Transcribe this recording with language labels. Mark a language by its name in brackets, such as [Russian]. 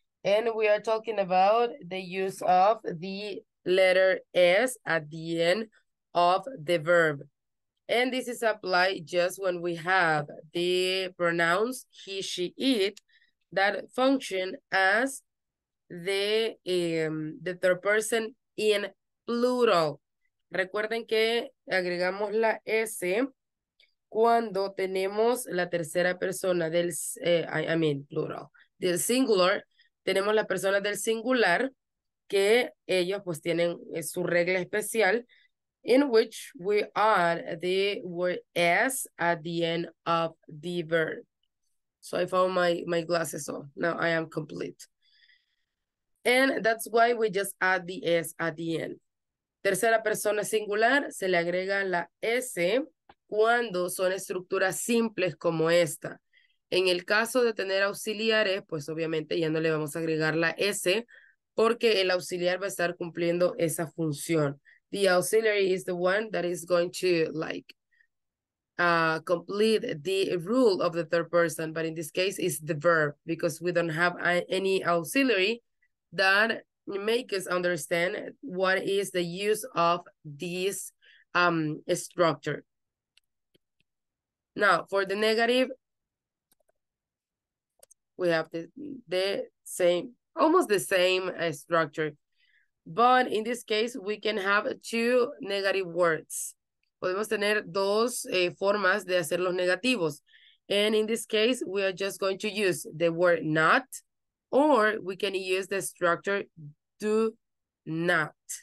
[English] And we are talking about the use of the letter S at the end of the verb. And this is applied just when we have the pronouns he, she, it that function as the third person in plural. [Spanish] Recuerden que agregamos la S cuando tenemos la tercera persona del, plural, del singular. Tenemos las personas del singular que ellos pues tienen su regla especial [English] in which we add the word S at the end of the verb. So I found my glasses on. Now I am complete. And that's why we just add the S at the end. [Spanish] Tercera persona singular, se le agrega la S cuando son estructuras simples como esta. En el caso de tener auxiliares, pues obviamente ya no le vamos a agregar la S porque el auxiliar va a estar cumpliendo esa función. [English] The auxiliary is the one that is going to like complete the rule of the third person, but in this case it's the verb because we don't have any auxiliary that make us understand what is the use of this structure. Now, for the negative, we have the same, almost the same structure. But in this case, we can have two negative words. [Spanish] Podemos tener dos formas de hacer los negativos. [English] And in this case, we are just going to use the word not, or we can use the structure do not.